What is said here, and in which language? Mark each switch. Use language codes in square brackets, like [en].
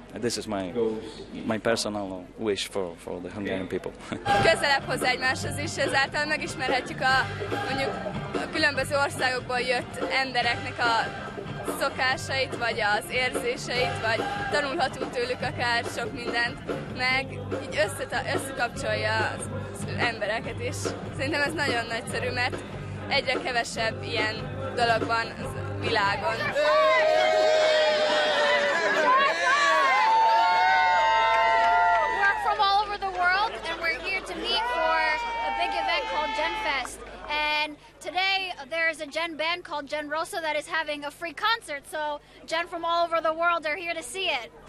[en] This is my personal wish for the Hungarian people. [hu] Közelebb hozzá egymáshoz is, ezáltal megismerhetjük a mondjuk a különböző országokból jött embereknek a szokásait, vagy az érzéseit, vagy tanulhatunk tőlük akár sok mindent, meg így összekapcsolja az embereket is. Szerintem ez nagyon nagyszerű, mert egyre kevesebb ilyen dolog van a világon. [en] We're from all over the world, and we're here to meet for a big event called GenFest. And today there is a Gen band called Gen Rosa that is having a free concert, so Gen from all over the world are here to see it.